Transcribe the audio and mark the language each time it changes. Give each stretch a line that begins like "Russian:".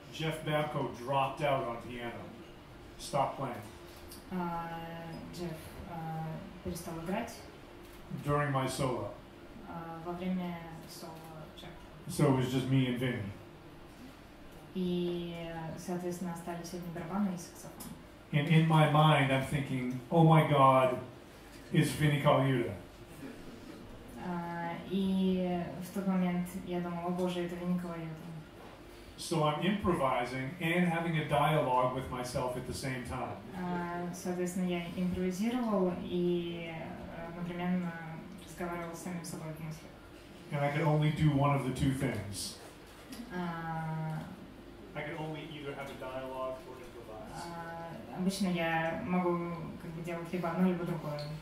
English: Jeff Babko dropped out on piano. Stopped playing.
Russian: Jeff перестал играть.
English: During my solo.
Russian: Во время соло Джефф.
English: So it was just me and Vinny.
Russian: И, соответственно, остались одни барабаны и саксофон.
English: And in my mind, I'm thinking, oh my God, it's Vinny Colaiuta.
Russian: И в тот момент я думал, о боже, это Винни Колаиута.
English: So I'm improvising and having a dialogue with myself at the same time.
Russian: Соответственно, я импровизировал и одновременно разговаривал с самим собой в мыслях.
English: And I could only do one of the two things. I could only either have a dialogue or improvise.
Russian: Обычно я могу делать либо одно, либо другое.